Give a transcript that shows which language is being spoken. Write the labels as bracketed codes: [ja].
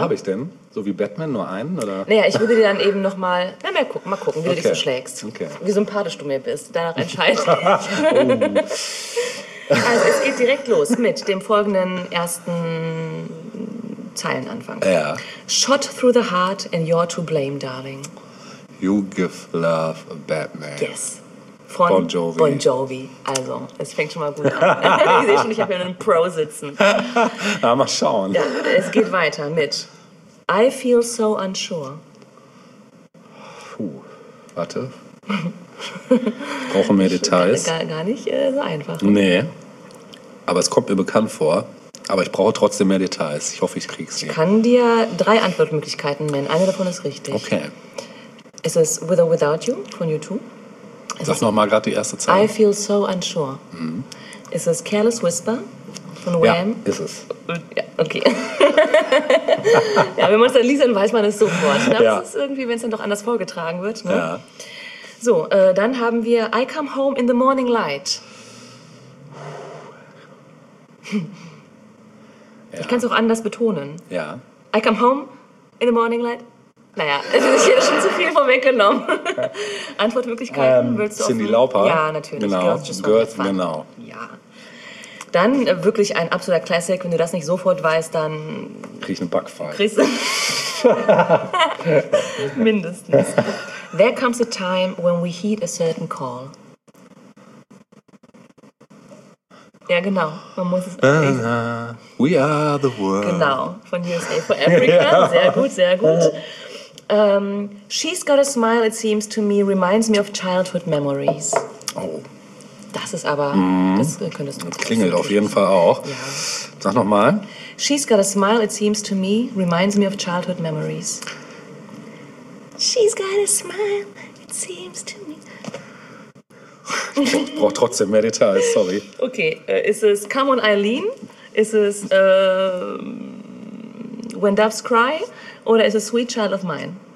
[de] habe ich denn? So wie Batman, nur einen? Oder? Naja, ich würde dir dann eben nochmal, mal gucken, wie okay. du dich so schlägst. Okay. Wie sympathisch du mir bist, danach entscheide ich. Also es geht direkt los mit dem folgenden ersten Zeilenanfang. Ja. [en] Shot through the heart and you're to blame, darling. You give love a bad man. Yes. [de] Von Bon Jovi. Bon Jovi. Also, es fängt schon mal gut an. Ich sehe schon, ich habe hier einen Pro sitzen. Na, mal schauen. Ja, es geht weiter mit [en] I feel so unsure. [de] Puh, warte. Ich brauche mehr Details. Gar nicht so einfach. Nee, aber es kommt mir bekannt vor. Aber ich brauche trotzdem mehr Details. Ich hoffe, ich kriege es hin. Ich kann dir drei Antwortmöglichkeiten nennen. Eine davon ist richtig. Okay. Ist es With or Without You von U2? Sag nochmal gerade die erste Zeile. [en] I feel so unsure. Mhm. [de] Ist es Careless Whisper von Wham? Ja, ist es. Ja, okay. Ja, wenn man es dann liest, dann weiß man es sofort. Ja. Das ist irgendwie, wenn es dann doch anders vorgetragen wird. Ne? Ja. So, dann haben wir [en] I come home in the morning light. [de] Ja. Ich kann es auch anders betonen. Ja. [en] I come home in the morning light. [de] Naja, ich hätte schon zu viel vorweggenommen. Antwortmöglichkeiten willst du auch. Cindy Lauper. Ja, natürlich. Genau. Girls, genau. Ja. Dann wirklich ein absoluter Classic. Wenn du das nicht sofort weißt, dann. Krieg ich eine Backpfeife. Kriegst du. Mindestens. [en] There comes a time when we heed a certain call. [de] Ja, genau. Man muss es. [en] We are the world. [de] Genau. Von USA for Africa. [en] Yeah. [de] Sehr gut, sehr gut. [en] She's got a smile, it seems to me, reminds me of childhood memories. Oh. [de] Das ist aber, das könntest du nicht. Klingelt auf jeden Fall auch. Ja. Sag nochmal. [en] She's got a smile, it seems to me, reminds me of childhood memories. She's got a smile, it seems to me. [de] Ich brauch trotzdem mehr Details, sorry. Okay, ist es Come on, Eileen? Ist es When Doves Cry? Oder ist es Sweet Child of Mine?